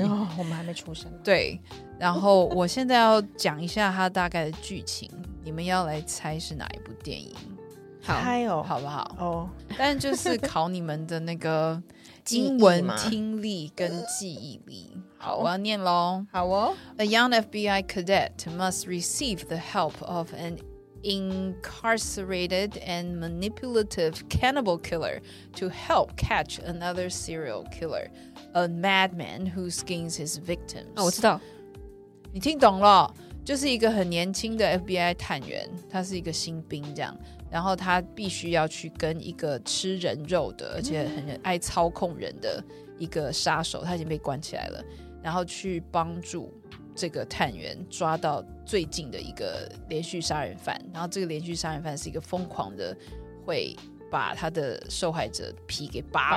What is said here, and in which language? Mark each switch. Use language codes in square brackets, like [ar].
[zh] 哦、我们还没出生。对，然后我现在要讲一下它大概的剧情。你们要来猜是哪一部电影。好，猜哦，好不好？哦，但就是考你们的那个英文听力跟记忆力。好，我要念咯。好哦。 [en] A young FBI cadet must receive the help of anincarcerated and manipulative cannibal killer to help catch another serial killer, a madman who skins his victims. [zh] 哦，我知道，你听懂了，就是一个很年轻的 FBI 探员，他是一个新兵这样，然后他必须要去跟一个吃人肉的，而且很爱操控人的一个杀手，他已经被关起来了，然后去帮助这个探员抓到最近的一个连续杀人犯，然后这个连续杀人犯是一个疯狂的会把他的受害者皮给扒